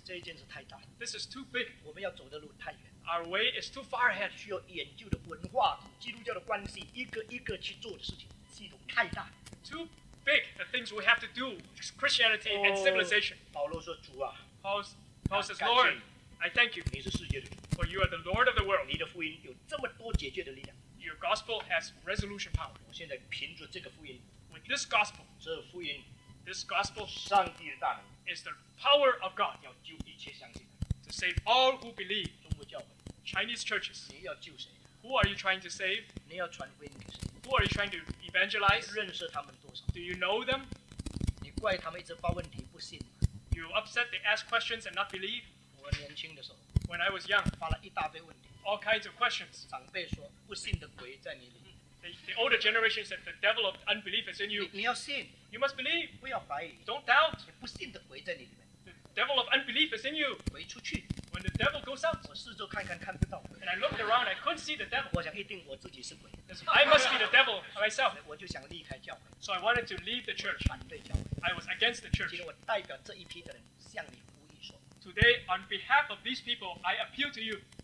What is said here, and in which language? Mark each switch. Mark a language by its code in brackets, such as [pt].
[zh] 这一件事太大 [en] This is too big. [zh] 我们要走的路太远 [en] Our way is too far ahead. [zh] 需要研究的文化、基督教的关系，一个一个去做的事情，系统太大 [en] Too big, the things we have to do, Christianity and civilization. [zh] 保罗说主啊, [en] Paul says, Lord, I thank you, for you are the Lord of the world. [zh] 你的福音有这么多解决的力量。 [en] Your gospel has resolution power. [zh] 我现在凭着这个福音, [en] with this gospel, [zh] 这福音, [en] this gospel, [zh] 上帝的大能, [en] is the power of God, [zh] 要救一切相信的, [en] to save all who believe, [zh] 中国教会, [en] Chinese churches. [zh] 你要救谁? [en] Who are you trying to save? [zh] 你要传福音给谁? [en] Who are you trying to evangelize? [zh] 你认识他们多少? [en] Do you know them? [zh] 你怪他们一直发问题不信吗? [en] You upset they ask questions and not believe? [zh] 我年轻的时候, [en] when I was young, [zh] 发了一大堆问题, [en] all kinds of questions. [zh] 长辈说, 不信的鬼在你里。 [en] The older generation said, the devil of unbelief is in you. [zh] 你要信, [en] you must believe. [zh] 不要怀疑, [en] don't doubt. [zh] 你不信的鬼在你里面。 [en] The devil of unbelief is in you. [zh] 鬼出去。 [en] When the devil goes out, [zh] 我四周看看看不到鬼。 [en] And I looked around, I couldn't see the devil. [zh] 我想一定我自己是鬼。 [en] I must be the devil myself. [zh] 我就想离开教会。 [en] So I wanted to leave the church. [zh] 反对教会。 [en] I was against the church. [zh] 其实我代表这一批的人向你福音说。 [en] Today, on behalf of these people, I appeal to you.